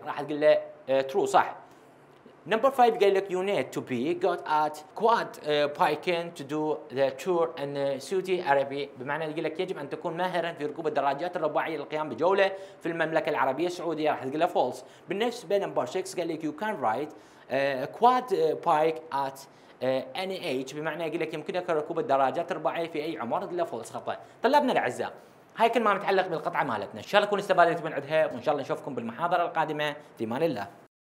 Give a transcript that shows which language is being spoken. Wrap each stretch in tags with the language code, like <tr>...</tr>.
<ar>راح تقول له true صح.</ar> <en>Number five</en> <ar>قال لك</ar> <en>you need to be good at quad biking to do the tour in Saudi Arabia.</en> <ar>بمعنى يقول لك يجب أن تكون ماهرا في ركوب الدراجات الرباعية للقيام بجولة في المملكة العربية السعودية. راح تقول له false. بالنسبة</ar> <en>number six</en> <ar>قال لك</ar> <en>you can ride quad bike at any age.</en> <ar>بمعنى يقول لك يمكنك ركوب الدراجات الرباعية في أي عمر. تقول له false خطأ. طلابنا الأعزاء هاي كل ما متعلق بالقطعة مالتنا. إن شاء الله تكون استفادت من عدها وإن شاء الله نشوفكم بالمحاضرة القادمة في مال الله.</ar>